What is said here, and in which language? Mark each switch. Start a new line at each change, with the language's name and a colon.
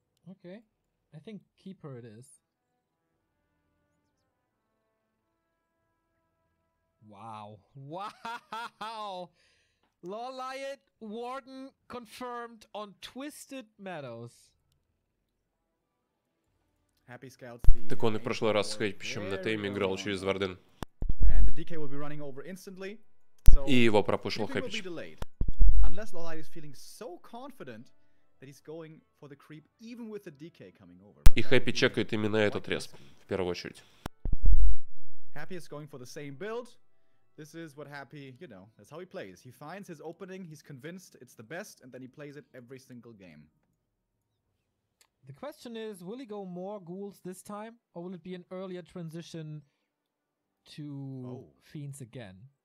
English: Okay. I think Keeper it is. Wow. Wow! Lolaid Warden confirmed on Twisted Meadows. Happy Scouts.
Russian: Так он и прошлый раз с хейпищем на тейме играл через Варден.
English: And the DK will be running over instantly.
Russian: И его пропушил хейпич.
English: Unless Lolaid is feeling so confident that he's going for the creep even with the DK coming over.
Russian: И Happy чекает именно этот респ в первую очередь.
English: Happy is going for the same build. This is what Happy, you know, that's how he plays. He finds his opening, he's convinced it's the best, and then he plays it every single game. The question is, will he go more ghouls this time, or will it be an earlier transition to fiends again?